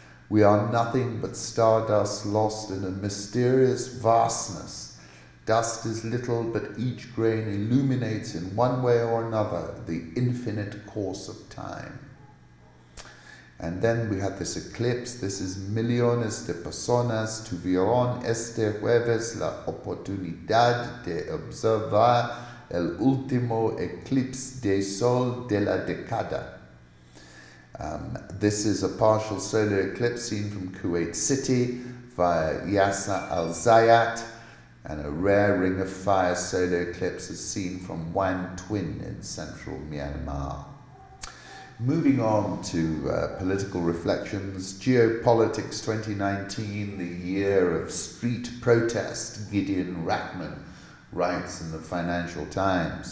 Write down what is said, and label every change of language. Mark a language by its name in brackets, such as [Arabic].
[English] We are nothing but stardust lost in a mysterious vastness. Dust is little, but each grain illuminates in one way or another the infinite course of time. And then we have this eclipse. This is [Spanish] Millones de Personas tuvieron este jueves la oportunidad de observar el último eclipse de sol de la década. [English] This is a partial solar eclipse seen from Kuwait City via Yasser al-Zayat, and a rare ring of fire solar eclipse is seen from Wan Twin in central Myanmar. Moving on to political reflections, Geopolitics 2019, the year of street protest, Gideon Rachman writes in the Financial Times.